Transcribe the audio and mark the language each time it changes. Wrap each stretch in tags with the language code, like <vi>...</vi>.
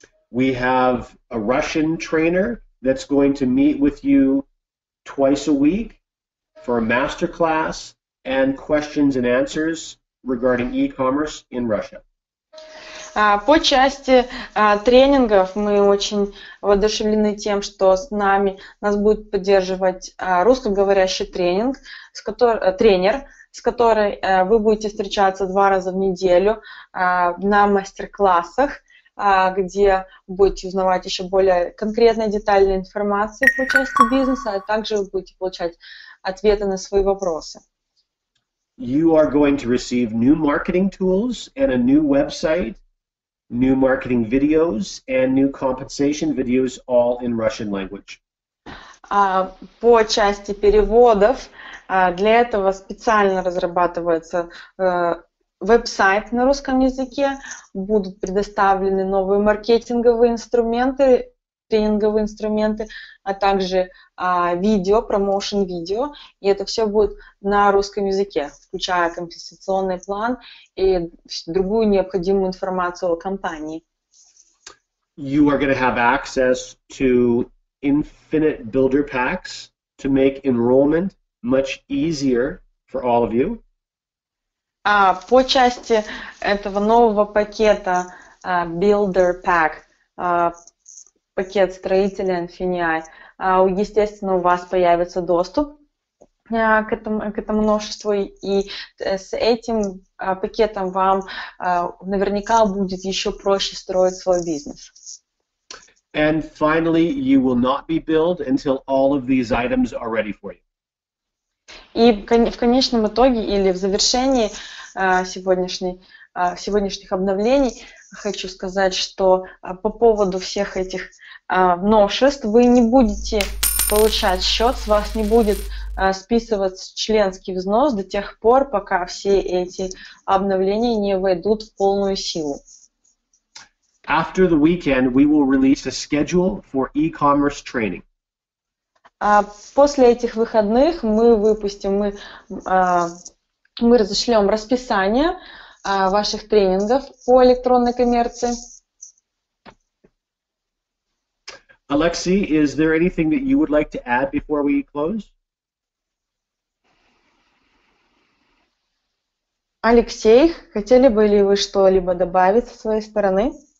<en>We have a Russian trainer that's going to meet with you twice a week for a masterclass and questions and answers regarding e-commerce in Russia.</en> <ru>По части тренингов мы очень воодушевлены тем, что с нами нас будет поддерживать русскоговорящий тренинг, тренер, с которой вы будете встречаться два раза в неделю на мастер-классах, где будете узнавать еще более конкретные детальные информации по части бизнеса, а также вы будете получать ответы на свои вопросы.</ru> <en>You are going to receive new marketing tools and a new website, new marketing videos and new compensation videos all in Russian language.</en> <ru>По части переводов для этого специально разрабатывается веб-сайт на русском языке, будут предоставлены новые маркетинговые инструменты, тренинговые инструменты, а также видео, промоушен видео, и это все будет на русском языке, включая компенсационный план и другую необходимую информацию о компании.</ru> <en>You are going to have access to infinite builder packs to make enrollment much easier for all of you.</en> <ru>По части этого нового пакета Builder Pack, пакет строителя InfiniEye, естественно, у вас появится доступ к этому множеству, и с этим пакетом вам наверняка будет еще проще строить свой бизнес.</ru> <en>And finally, you will not be billed until all of these items are ready for you.</en> <ru>И в конечном итоге или в завершении сегодняшних обновлений хочу сказать, что по поводу всех этих новшеств вы не будете получать счет, с вас не будет списываться членский взнос до тех пор, пока все эти обновления не войдут в полную силу.</ru> <en>After the weekend, we will release a schedule for e-commerce training.</en> <ru>После этих выходных мы разошлем расписание ваших тренингов по электронной коммерции.</ru> <en>Alexey, is there anything that you would like to add before we close?</en> <ru>Алексей, хотели бы ли вы что-либо добавить со своей стороны?</ru>